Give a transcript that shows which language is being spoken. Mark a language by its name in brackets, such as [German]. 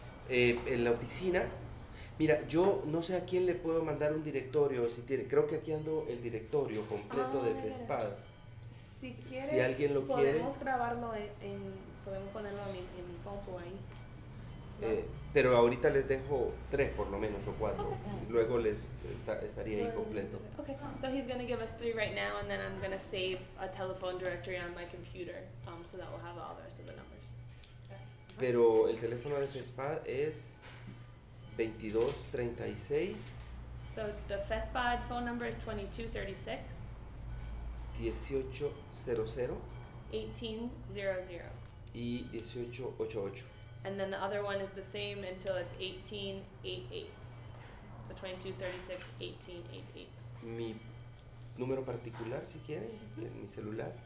[Spanish] En la oficina, mira, yo no sé a quién le puedo mandar un directorio, si tiene, creo que aquí ando el directorio completo de FESPAD. Si quiere, si alguien lo podemos quiere, grabarlo en, podemos ponerlo en mi compu ahí. Pero ahorita les dejo tres por lo menos o cuatro. Okay. Luego les estaría ahí completo. [English] Okay, so he's going to give us three right now and then I'm going to save a telephone directory on my computer so that we'll have all the rest of the numbers. [Spanish] Pero el teléfono de FESPAD es 2236. [English] So the FESPAD phone number is 2236. 1800. 1800. [Spanish] Y 1888. [English] And then the other one is the same until it's 1888. So 2236, 1888. [Spanish] Mi número particular, si quiere, en mi celular.